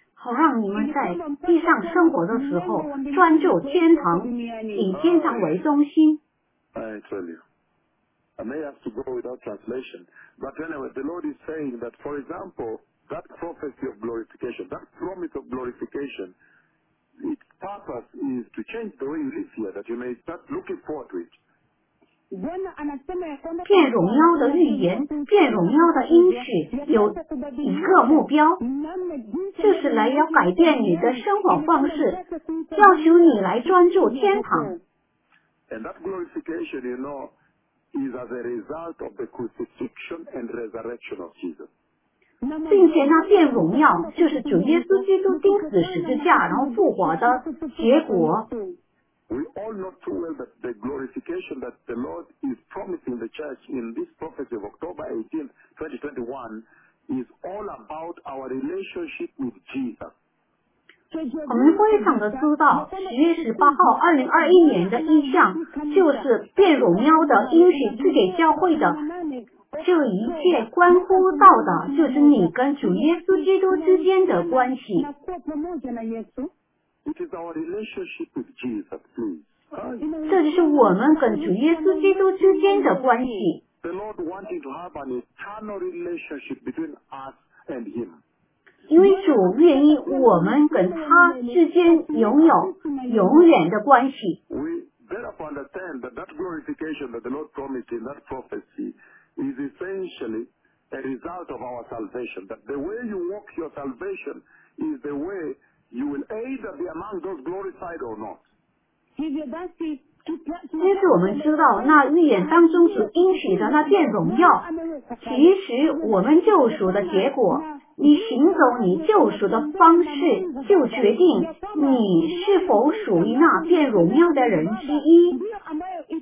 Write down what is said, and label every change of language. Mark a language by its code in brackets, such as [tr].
[zh] 好让你们在地上生活的时候专注天堂，以天堂为中心。 [en] I tell you, I may have to go without translation, but anyway, the Lord is saying that, for example, that prophecy of glorification, that promise of glorification, its purpose is to change the way you live here, that you may start looking forward to it. [zh] 变荣耀的预言，变荣耀的应许有一个目标，就是来要改变你的生活方式，要求你来专注天堂。 [en] And that glorification, you know, is as a result of the crucifixion and resurrection of Jesus. [zh] 并且那变荣耀就是主耶稣基督钉死十字架然后复活的结果。 [en] We all know too well that the glorification that the Lord is promising the church in this prophecy of October 18, 2021 is all about our relationship with Jesus. [zh] 我们非常的知道10月18号2021年的意象就是变荣耀的应许赐给教会的，这一切关乎到的就是你跟主耶稣基督之间的关系。 [en] It is our relationship with Jesus, please. [zh] 这就是我们跟主耶稣基督之间的关系。 [en] The Lord wanting to have an eternal relationship between us and Him. [zh] 因为主愿意我们跟他之间拥有永远的关系。 [en] We therefore understand that that glorification that the Lord promised in that prophecy is essentially a result of our salvation. That the way you walk your salvation is the way. You will either be among those glorified or not. [zh] 其实我们知道那预言当中所应许的那殿荣耀，其实我们救赎的结果，你行走你救赎的方式，就决定你是否属于那殿荣耀的人之一。